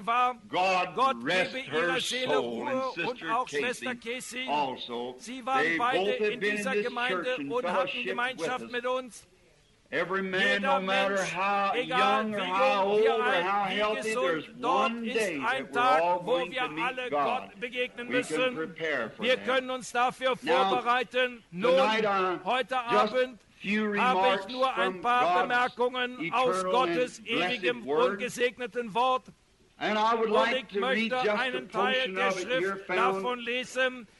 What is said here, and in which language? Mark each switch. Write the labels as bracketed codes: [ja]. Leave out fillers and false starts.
[en] God rest her soul, and Sister Casey also. They both have been in this church and fellowship with us. Every man, no matter how young or how old or how healthy, there's one day that we're all going to meet God. We can prepare for that. Now, tonight, [de] heute Abend, habe ich nur ein paar Bemerkungen aus Gottes ewigem und gesegneten Wort. [en] And I would like to read just a portion of it here found